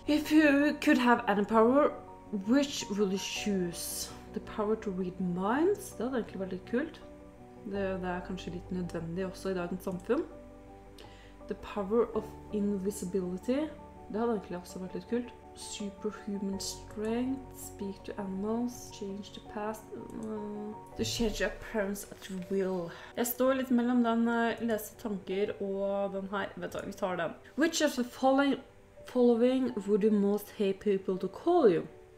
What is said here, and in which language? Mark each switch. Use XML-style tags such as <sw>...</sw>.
<en>If you could have any power, which will you choose? The power to read minds?</en> <no>Det hadde egentlig vært litt kult. Det er kanskje litt nødvendig også i dagens samfunn.</no> <en>The power of invisibility?</en> <no>Det hadde egentlig også vært litt kult.</no> <en>Superhuman strength, speak to animals, change the past, to change your parents at will.</en> <no>Jeg står litt mellom den lese tanker og den her, vet du hva, vi tar den.</no> <en>Which of the following would you most hate people to call you?</en>